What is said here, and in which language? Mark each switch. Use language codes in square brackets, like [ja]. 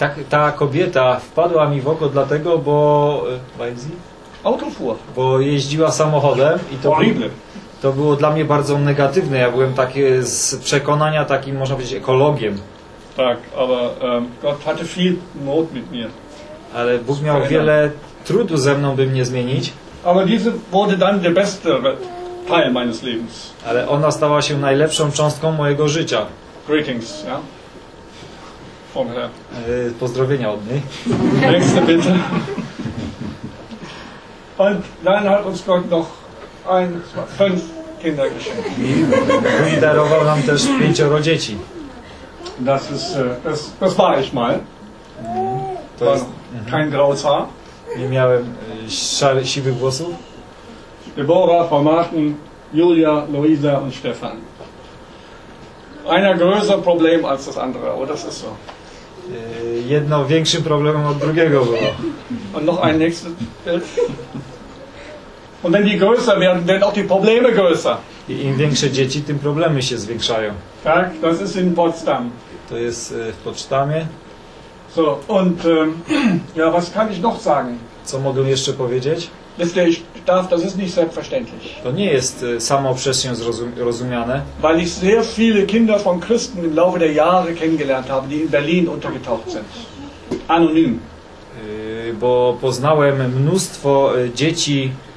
[pl] Ta kobieta wpadła mi w oko dlatego, bo... [de] Weiß sie? Auto fuhr. [pl] Bo jeździła samochodem i to... [en] Horrible. [pl] To było dla mnie bardzo negatywne, ja byłem taki z przekonania takim, można powiedzieć, ekologiem. Tak, [de] aber Gott hatte viel Not mit mir. [pl] Ale Bóg miał wiele trudu ze mną, by mnie zmienić. [de] Aber diese wurde dann der beste Teil meines Lebens. [pl] Ale ona stała się najlepszą cząstką mojego życia. [en] Greetings, [de] ja? Von her. [pl] Pozdrowienia od niej. [de] Nächste bitte. Und dann hat uns Gott noch 5 Kinder geschenkt. [pl] I darował nam też 5 dzieci. [de] Das war ich mal. To war kein graues Haar. [pl] Nie miałem siwych włosów. [de] Deborah, Frau Martin, Julia, Luisa und Stefan. Einer größer Problem als das andere, oder? Das ist so. [pl] Jedno większym problemem od drugiego było. [de] Und noch ein nächstes Bild. Und wenn die größer werden, werden auch die Probleme größer. [pl] I im większe dzieci, tym problemy się zwiększają. Tak, [de] das ist in Potsdam. [pl] To jest w Potsdamie. [de] So, und ja, was kann ich noch sagen? [pl] Co mogę jeszcze powiedzieć? [de] Das ist nicht selbstverständlich. [pl] To nie jest samo przez się rozumiane. [de] Weil ich sehr viele Kinder von Christen im Laufe der Jahre kennengelernt habe, die in Berlin untergetaucht sind. Anonym. [pl] Bo poznałem mnóstwo dzieci,